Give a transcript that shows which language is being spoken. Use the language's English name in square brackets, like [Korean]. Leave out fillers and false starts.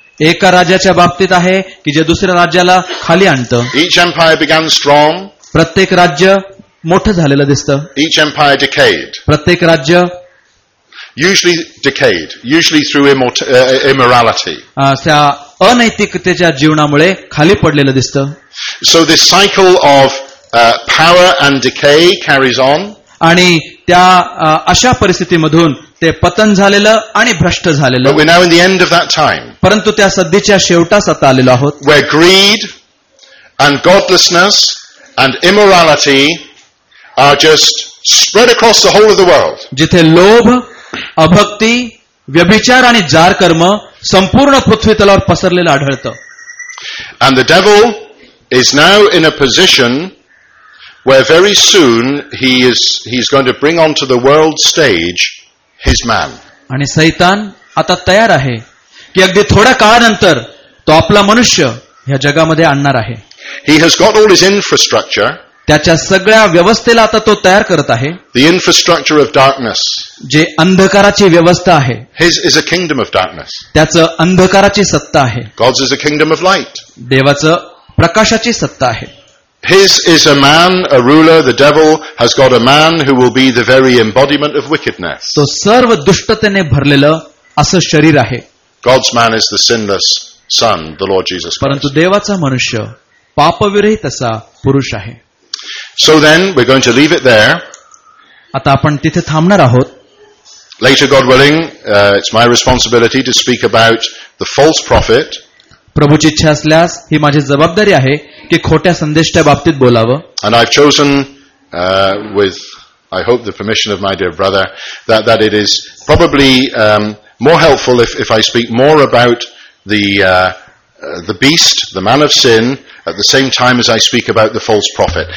[Marathi] एका राजाच्या बाबतीत आहे की जे दुसऱ्या राज्याला खाली आणतं. [English] Each empire began strong. [Marathi] प्रत्येक राज्य मोठं झालेलं दिसतं. [English] Each empire decayed. [Marathi] प्रत्येक राज्य [English] usually decayed, usually through immorality. [Marathi] त्या अनैतिकतेच्या जीवनामुळे खाली पडलेलं दिसतं. [English] So this cycle of power and decay carries on. [Marathi] आणि त्या अशा परिस्थितीमधून ते पतन झालेलं आणि भ्रष्ट झालेलं. [English] But we're now in the end of that time. [Marathi] परंतु त्या सध्याच्या शेवटास आता आलेलो आहोत. [English] Where greed and godlessness and immorality are just spread across the whole of the world. [Marathi] जिथे लोभ, अभक्ती, व्यभिचार आणि जार कर्म संपूर्ण पृथ्वी तलावर पसरलेलं आढळतं. [English] And the devil is now in a position where very soon he's going to bring onto the world stage his man. [Marathi] आणि सैतान आता तयार आहे की अगदी थोड्या काळानंतर तो आपला मनुष्य या जगामध्ये आणणार आहे. [English] He has got all his infrastructure. [Marathi] त्याच्या सगळ्या व्यवस्थेला आता तो तयार करत आहे. [English] The infrastructure of darkness. [Marathi] जे अंधकाराची व्यवस्था आहे. [English] His is a kingdom of darkness. [Marathi] त्याचं अंधकाराची सत्ता आहे. [English] God's is a kingdom of light. [Marathi] देवाचं प्रकाशाची सत्ता आहे. [English] His is a man, a ruler, the devil has got a man who will be the very embodiment of wickedness. [Marathi] तो सर्व दुष्टतेने भरलेलं असं शरीर आहे. [English] God's man is the sinless son, the Lord Jesus Christ. [Marathi] परंतु देवाचा मनुष्य पापविरहित असा पुरुष आहे. [English] So then we're going to leave it there. [Marathi] आता आपण तिथे थांबणार आहोत. [English] Later, God willing, it's my responsibility to speak about the false prophet. [Marathi] प्रभूची इच्छा असल्यास ही माझी जबाबदारी आहे की खोट्या संदेशाच्या बाबतीत बोलावं. [English] And I've chosen with I hope the permission of my dear brother that it is probably more helpful if I speak more about the beast, the man of sin, at the same time as I speak about the false prophet.